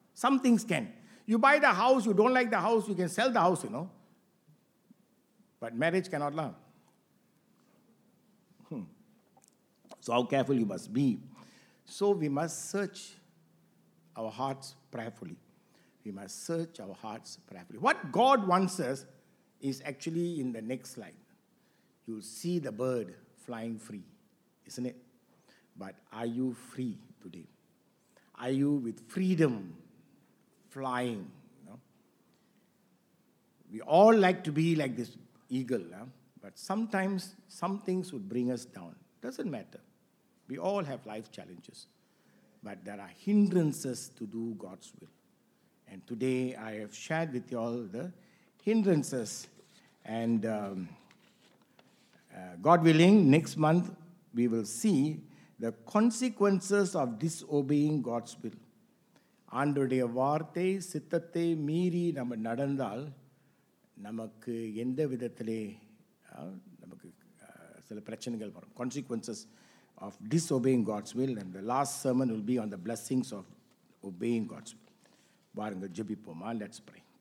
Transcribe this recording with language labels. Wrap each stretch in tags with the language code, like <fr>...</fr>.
<en>Some things can, you buy the house, you don't like the house, you can sell the house you know, but marriage கேனாட்லாம். So how careful you must be. So we must search our hearts prayerfully. We must search our hearts prayerfully. What God wants us is actually in the next slide. You'll see the bird flying free, isn't it? But are you free today? Are you with freedom flying? You know? We all like to be like this eagle, but sometimes some things would bring us down. Doesn't matter. We all have life challenges. But there are hindrances to do God's will. And today I have shared with you all the hindrances. And God willing, next month we will see the consequences of disobeying God's will.</en> <ta>ஆண்டவருடைய வார்த்தை சித்தத்தை மீறி நம்ம நடந்தால் நமக்கு எந்த விதத்திலே நமக்கு சில பிரச்சனைகள் வரும்.</ta> <en>Consequences of disobeying God's will and the last sermon will be on the blessings of obeying God's will.</en> <ta>வாருங்கள் ஜெபிப்போமா.</ta> <en>Let's pray.</en>